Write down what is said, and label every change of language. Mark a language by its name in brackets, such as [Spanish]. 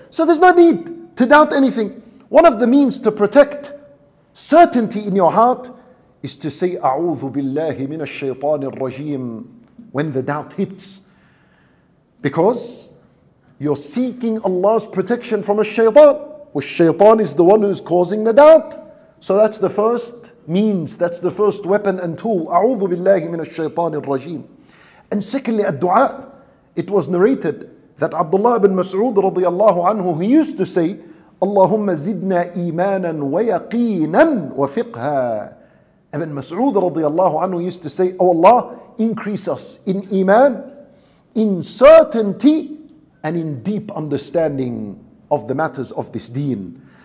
[English] So there's no need to doubt anything. One of the means to protect certainty in your heart is to say, [Arabic] أعوذ بالله من الشيطان الرجيم, [English] when the doubt hits. Because you're seeking Allah's protection from a shaytan. Well, shaytan is the one who's causing the doubt. So that's the first means, that's the first weapon and tool. [Arabic] أعوذ بالله من الشيطان الرجيم. [English] And secondly, الدعاء. It was narrated that Abdullah ibn Mas'ud radiallahu anhu, he used to say, [Arabic] Allahumma zidna imanan wa yaqeenan wa fiqha. [English] Ibn Mas'ud radiallahu anhu used to say, oh Allah, increase us in iman, in certainty, and in deep understanding of the matters of this deen.